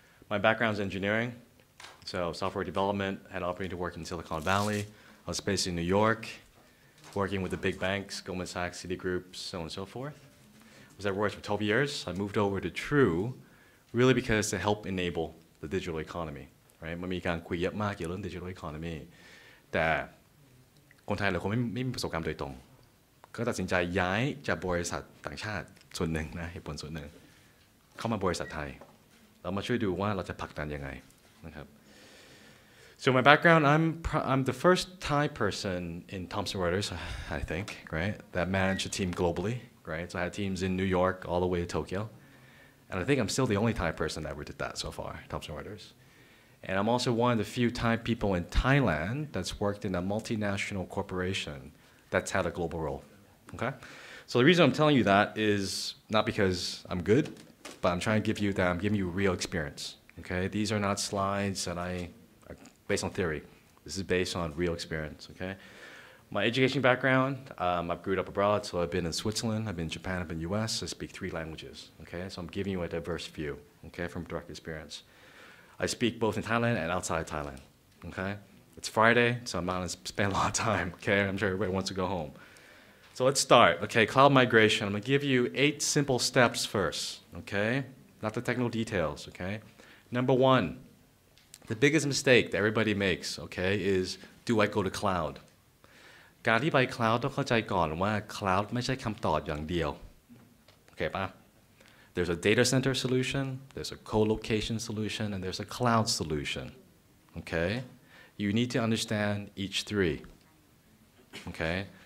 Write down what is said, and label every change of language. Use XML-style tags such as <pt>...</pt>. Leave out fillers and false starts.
<en>My background is engineering, so software development. Had an opportunity to work in Silicon Valley. I was based in New York, working with the big banks, Goldman Sachs, Citigroup, so on and so forth. I was at Reuters for 12 years. I moved over to True really because to help enable the digital economy, right?</en> <th>มันมีการคุยเยอะมากเกี่ยวกับ digital economy แต่คนไทยหลายคนไม่มีประสบการณ์โดยตรงก็ตัดสินใจย้ายจากบริษัทต่างชาติส่วนหนึ่งนะเหตุผลส่วนหนึ่งเข้ามาบริษัทไทยเรามาช่วยดูว่าเราจะผลักดันยังไงนะครับ</th> <en>So my background I'm the first Thai person in Thomson Reuters I think right that managed a team globally right so I had teams in New York all the way to TokyoAnd I think I'm still the only Thai person that ever did that so far, Thomson Reuters. And I'm also one of the few Thai people in Thailand that's worked in a multinational corporation that's had a global role, okay? So the reason I'm telling you that is not because I'm good, but I'm trying to give you that, I'm giving you real experience, okay? These are not slides that are based on theory. This is based on real experience, okay? My education background, I've grew up abroad, so I've been in Switzerland, I've been in Japan, I've been in US, I speak three languages, okay? So I'm giving you a diverse view, okay, from direct experience. I speak both in Thailand and outside of Thailand, okay? It's Friday, so I'm not gonna spend a lot of time, okay? I'm sure everybody wants to go home. So let's start, okay, cloud migration. I'm gonna give you eight simple steps first, okay? Not the technical details, okay? Number one, the biggest mistake that everybody makes, okay, is do I go to cloud?</en> <th>การที่ไปคลาวด์ต้องเข้าใจก่อนว่าคลาวด์ไม่ใช่คำตอบอย่างเดียวโอเคป่ะ</th> <en>There's a data center solution, there's a co-location solution, and there's a cloud solution. Okay? You need to understand each three. Okay?</en>